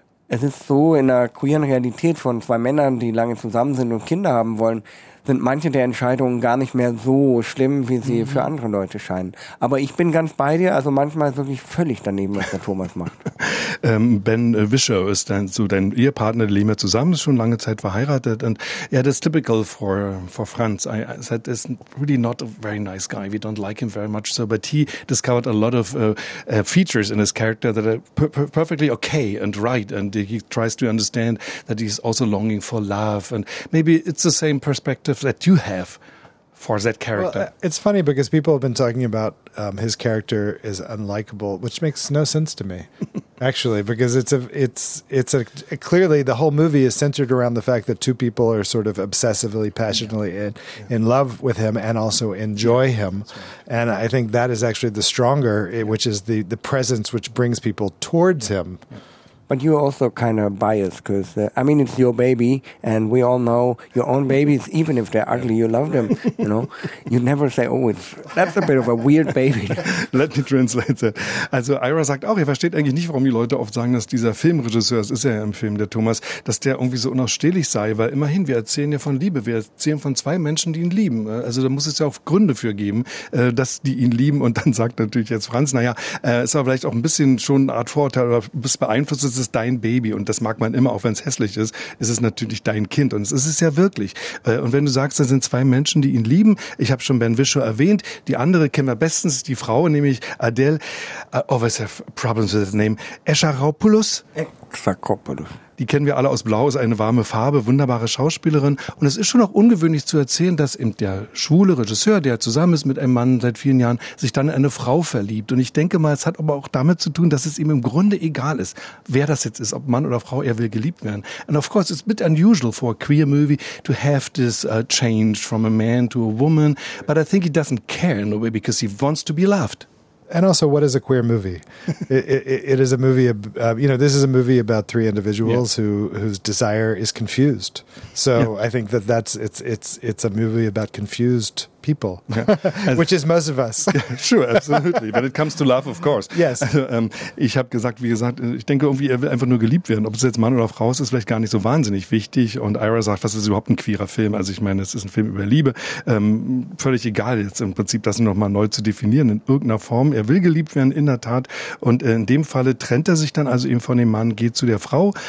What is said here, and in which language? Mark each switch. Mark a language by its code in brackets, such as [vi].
[de] Es ist so, in einer queeren Realität von zwei Männern, die lange zusammen sind und Kinder haben wollen, sind manche der Entscheidungen gar nicht mehr so schlimm, wie sie für andere Leute scheinen. Aber ich bin ganz bei dir, also manchmal wirklich völlig daneben, was der Thomas macht. Ben Wischer ist dann so dein Ehepartner, die leben ja zusammen, ist schon lange Zeit verheiratet. [en] Und yeah, that's typical for Franz. I said, he's really not a very nice guy. We don't like him very much. So, but he discovered a lot of features in his character that are perfectly okay and right. And he tries to understand that he's also longing for love. And maybe it's the same perspective that you have for that character. Well, it's funny because people have been talking about his character is unlikable, which makes no sense to me. actually, because it's clearly the whole movie is centered around the fact that two people are sort of obsessively, passionately in love with him and also enjoy him. And I think that is actually the stronger, which is the presence which brings people towards him. But you're also kind of biased because, it's your baby and we all know your own babies, even if they're ugly, you love them, you know. You never say, that's a bit of a weird baby. Let me translate that. [de] Also Ira sagt auch, er versteht eigentlich nicht, warum die Leute oft sagen, dass dieser Filmregisseur, das ist ja im Film der Thomas, dass der irgendwie so unausstehlich sei, weil immerhin, wir erzählen ja von Liebe, wir erzählen von zwei Menschen, die ihn lieben. Also da muss es ja auch Gründe für geben, dass die ihn lieben und dann sagt natürlich jetzt Franz, ist aber vielleicht auch ein bisschen schon eine Art Vorurteil oder bist beeinflusst. Es ist dein Baby und das mag man immer, auch wenn es hässlich ist, ist es natürlich dein Kind und es ist ja wirklich. Und wenn du sagst, da sind zwei Menschen, die ihn lieben, ich habe schon Ben Whishaw erwähnt, die andere kennen wir bestens, die Frau, nämlich Adele, [en] always have problems with the name, [de] Escharopoulos. Exarchopoulos. Die kennen wir alle aus Blau, ist eine warme Farbe, wunderbare Schauspielerin. Und es ist schon auch ungewöhnlich zu erzählen, dass eben der schwule Regisseur, der zusammen ist mit einem Mann seit vielen Jahren, sich dann in eine Frau verliebt. Und ich denke mal, es hat aber auch damit zu tun, dass es ihm im Grunde egal ist, wer das jetzt ist, ob Mann oder Frau, er will geliebt werden. [en] And of course, it's a bit unusual for a queer movie to have this change from a man to a woman. But I think he doesn't care in a way because he wants to be loved. And also, what is a queer movie? It is a movie, this is a movie about three individuals whose desire is confused. So I think that it's a movie about confused people, which is most of us. Sure, absolutely. When it comes to love, of course. Yes. [de] Ich habe gesagt, wie gesagt, ich denke irgendwie, er will einfach nur geliebt werden. Ob es jetzt Mann oder Frau ist, ist vielleicht gar nicht so wahnsinnig wichtig. Und Ira sagt, was ist überhaupt ein queerer Film? Also ich meine, es ist ein Film über Liebe. Völlig egal jetzt im Prinzip, das nochmal neu zu definieren in irgendeiner Form. Er will geliebt werden, in der Tat. Und in dem Falle trennt er sich dann also eben von dem Mann, geht zu der Frau.